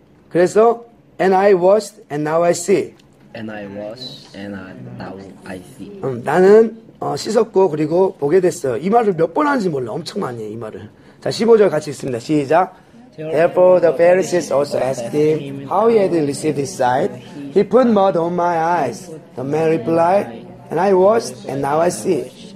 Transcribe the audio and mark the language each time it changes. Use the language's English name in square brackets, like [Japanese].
[English] 그래서, and I washed and now I see. And I washed and now I see. [Korean] 나는 씻었고 그리고 보게 됐어요. 이 말을 몇 번 하는지 몰라. 엄청 많이 해, 이 말을. 자, 15절 같이 있습니다. 시작. [English] Therefore the Pharisees also asked him how he had received his sight. He put mud on my eyes. The man replied, and I washed, and now I see.